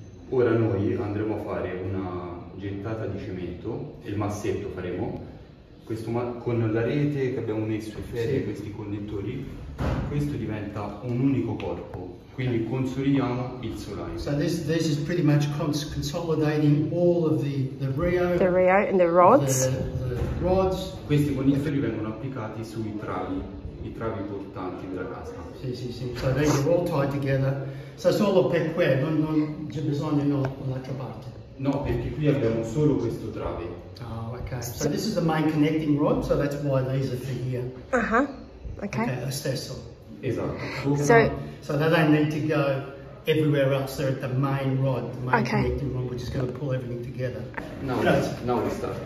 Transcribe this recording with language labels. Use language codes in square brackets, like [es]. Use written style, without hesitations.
[it] Ora noi andremo a fare una gettata di cemento e il massetto faremo questo con la rete che abbiamo messo, i ferri, sì. Questi connettori, questo diventa un unico corpo, quindi consolidiamo il solaio. [en] So this is pretty much consolidating all of the Rio and the rods. The rods. [it] Questi connettori vengono applicati sui travi. I travi portanti della casa. Sì, sì, sì. [en] So they are all tied together. [it] So solo per qui, non c'è bisogno di un'altra parte. No, perché qui abbiamo solo questo trave. [en] Oh, okay. So this is the main connecting rod, so that's why these are for here. Uh-huh. Okay. [it] Okay, lo stesso. Esatto. [en] So they don't need to go everywhere else. They're at the main rod, the main connecting rod, which is going to pull everything together. Now we start.